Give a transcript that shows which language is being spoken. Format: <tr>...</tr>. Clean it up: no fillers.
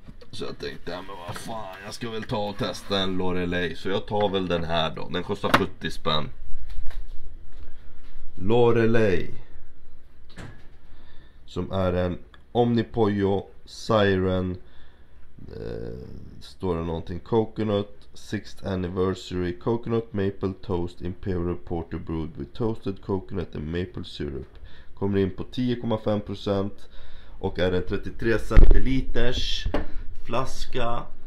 <sv>Så jag tänkte, men vad fan, jag ska väl ta och testa en Lorelei. Så jag tar väl den här då. Den kostar 70 spänn. Lorelei. Som är en Omnipollo Siren. Står det någonting?</sv> <en>Coconut 6th Anniversary. Coconut Maple Toast Imperial Porter Brewed with Toasted Coconut and Maple Syrup.</en> <sv>Kommer in på 10,5%. Och är en 33 centiliters flaska.</sv>